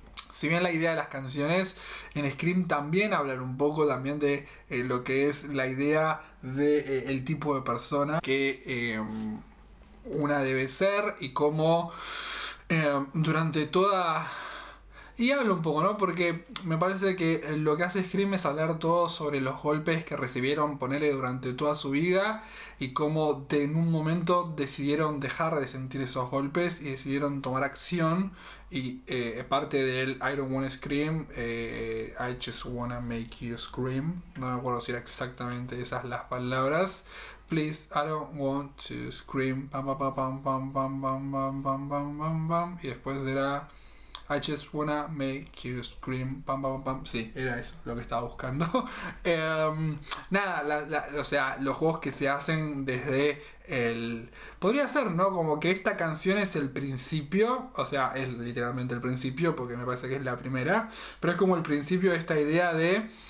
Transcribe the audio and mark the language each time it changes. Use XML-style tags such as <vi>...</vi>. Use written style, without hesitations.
<es>Si bien la idea de las canciones en Scream también hablan un poco también de lo que es la idea de el tipo de persona que una debe ser y cómo durante toda... Y hablo un poco, ¿no? Porque me parece que lo que hace Scream es hablar todo sobre los golpes que recibieron, ponele, durante toda su vida y cómo en un momento decidieron dejar de sentir esos golpes y decidieron tomar acción. Y parte del</es> <en>I don't wanna scream, I just wanna make you scream.</en> <es>No me acuerdo si era exactamente esas las palabras.</es> <en>Please, I don't want to scream.</en> <es>Pam, pam, pam, pam, pam, pam, pam, pam, pam, pam. Y después era...</es> <en>I just wanna make you scream, pam, pam, pam.</en> <es>Sí, era eso lo que estaba buscando. Nada, o sea, los juegos que se hacen desde el. Podría ser, ¿no? Como que esta canción es el principio, o sea, es literalmente el principio porque me parece que es la primera, pero es como el principio de esta idea de.</es>